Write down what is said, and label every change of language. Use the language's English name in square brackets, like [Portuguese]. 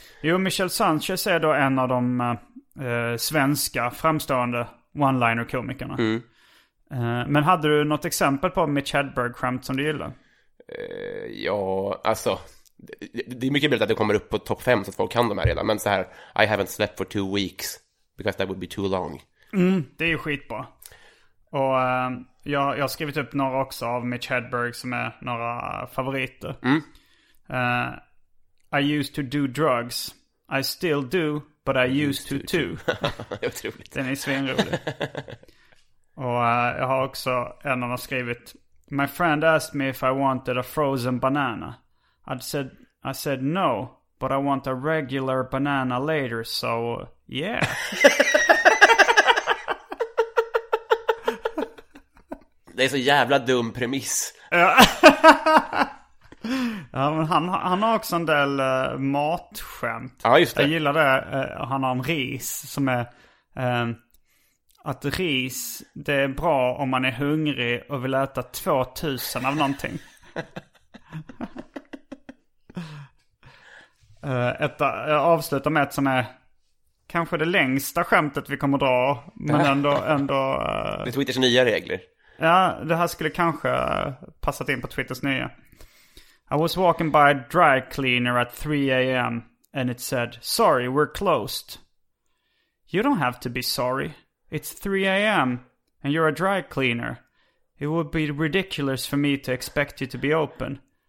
[Swedish] Jo, Michel Sanchez är då en av de svenska framstående one-liner-komikerna. Mm. Men hade du något exempel på Mitch Hedberg-skämt som du gillar? Ja, alltså... Det är mycket bättre att det kommer upp på topp 5 så att folk kan de här redan. [English] Men så här, I haven't slept for 2 weeks because that would be too long. [Swedish] Mm, det är ju skitbra. Och jag har skrivit upp några också av Mitch Hedberg som är några favoriter. Mm. [English] I used to do drugs. I still do, but I used to too. [Swedish] Det är otroligt. Den är svinrolig. Och jag har också, en av dem har skrivit, my friend asked me if I wanted a frozen banana. [English] I said no, but I want a regular banana later, so yeah. [Swedish] Det är så jävla dum premiss. Ja, men han har också en del matskämt. Ja, just det. Jag gillar det. Han har en ris som är... att ris, det är bra om man är hungrig och vill äta 2000 av någonting. Jag avslutar med ett som är kanske det längsta skämtet vi kommer dra, men ändå det är Twitters nya regler. Ja, det här skulle kanske passat in på Twitters nya. [English] I was walking by a dry cleaner at 3 a.m. and it said, sorry, we're closed. You don't have to be sorry. It's 3 a.m. and you're a dry cleaner. It would be ridiculous for me to expect you to be open.